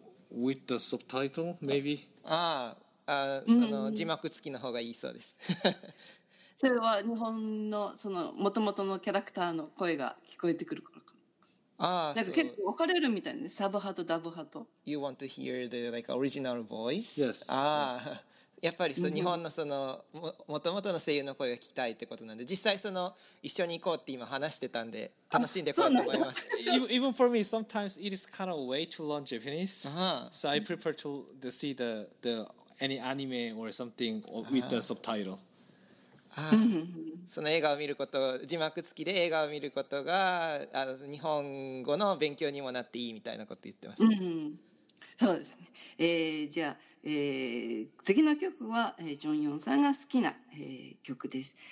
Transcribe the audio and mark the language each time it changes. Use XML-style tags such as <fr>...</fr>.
<en>With the subtitle maybe.</en> <ja>その字幕付きの方がいいそうです。それは日本のその元々のキャラクターの声が聞こえてくるから。 Ah, so 結構分かれるみたいね、サブ派とダブ派と。</ja> <en>You want to hear the like original voice? Yes.</en> <ja>やっぱりその日本のその元々の声優の声が聞きたいってことなんで、実際その一緒に行こうって今話してたんで楽しんでこうと思います。</ja> <en>Even for me, sometimes it is kind of way too long Japanese. So I prefer to see the any anime or something with the subtitle.</en> <ja>その映画を見ること、字幕付きで映画を見ることが日本語の勉強にもなっていいみたいなこと言ってます、ね、そうですね、じゃあ、次の曲は、ジョンヨンさんが好きな、曲です。</ja>